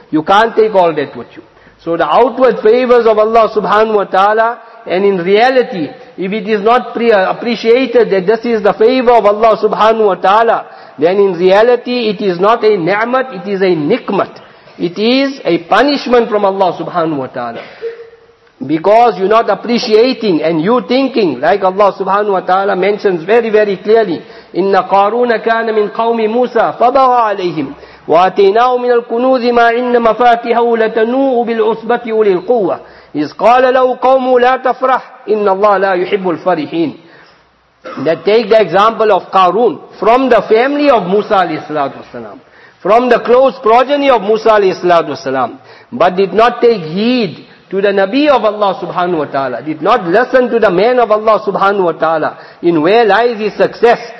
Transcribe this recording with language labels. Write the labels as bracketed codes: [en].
[en] You can't take all that with you. So the outward favors of Allah subhanahu wa ta'ala, and in reality, if it is not appreciated that this is the favor of Allah subhanahu wa ta'ala, then in reality, it is not a ni'mat, it is a nikmat. It is a punishment from Allah subhanahu wa ta'ala. Because you're not appreciating and you thinking, like Allah subhanahu wa ta'ala mentions very, very clearly, [ar] إِنَّ قَارُونَ كَانَ مِنْ قَوْمِ مُوسَى فَبَغَى عَلَيْهِمْ وَآتَيْنَاهُ مِنَ الْكُنُوزِ مَا إِنَّ مَفَاتِحَهُ لَتَنُوءُ بِالْعُصْبَةِ أُولِي الْقُوَّةِ إِذْ قَالَ لَهُ قَوْمُهُ لَا تَفْرَحْ إِنَّ اللَّهَ لَا يُحِبُّ الْفَرِحِينَ. [en] That take the example of Qarun, from the family of Musa a.s., from the close progeny of Musa a.s., but did not take heed to the Nabi of Allah subhanahu wa ta'ala, did not listen to the man of Allah subhanahu wa ta'ala, in where lies his success.